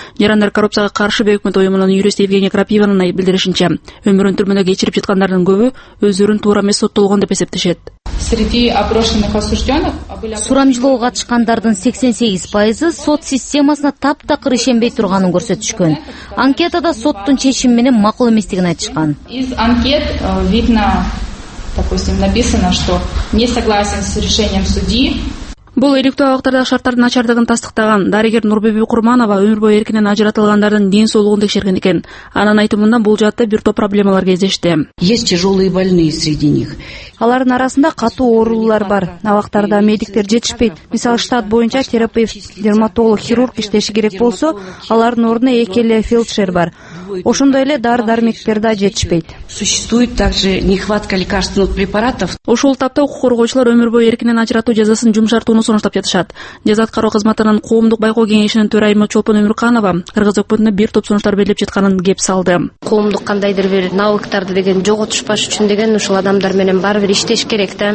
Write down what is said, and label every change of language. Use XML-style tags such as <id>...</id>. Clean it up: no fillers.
<ky>Жарандар коррупцияга каршы бөөкмөт уюмунун юрист Евгений Крапиванын билдиришинче, өмүрүн түрмөдө кечирип жаткандардын көбү өздөрүн туура эмес соттолгон деп эсептешет. Сурамжылоо катышкандардын 88% сот системасына таптакыр ишенбей турганын көрсөтүшкөн. Анкетада соттун чечими менен макул эместигин айтышкан.</ky> <ru>Из анкет видно, допустим, написано, что не согласен с решением судьи.</ru> <ky>Бул иликтөө актардагы шарттардын начардыгын тастыктаган дарыгер Нурбиби Курманова өмүр бою эркинен ажыратылгандардын ден соолугун текшерген экен. Анын айтымында бул жаатта бир топ проблемалар кездешти.</ky> <ru>Есть тяжелые больные среди них.</ru> <ky>Алардын арасында катуу оорулар бар. Абактарда медиктер жетишпейт. Мисалы, штат боюнча терапевт, дерматолог, хирург иштеши керек болсо, алардын ордуна эки эле фельдшер бар. Ошондой эле дары-дармектер да жетишпейт.</ky> <ru>Существует также нехватка лекарственных препаратов.</ru> <ky>Ошол тапта укук коргоочулар өмүр бою эркинен ажыратуу жазасын жумшартууну сунуштап жатышат. Жаза аткаруу кызматынын коомдук байкоо кеңешинин төрайымы Чолпон Өмүрканова кыргыз өкмөтүнө бир топ сунуштар берилип жатканын кеп салды. Коомдук кандайдыр бир навыктарды деген жоготушпаш үчүн деген ушул адамдар менен баары бир иштеш керек да.</ky>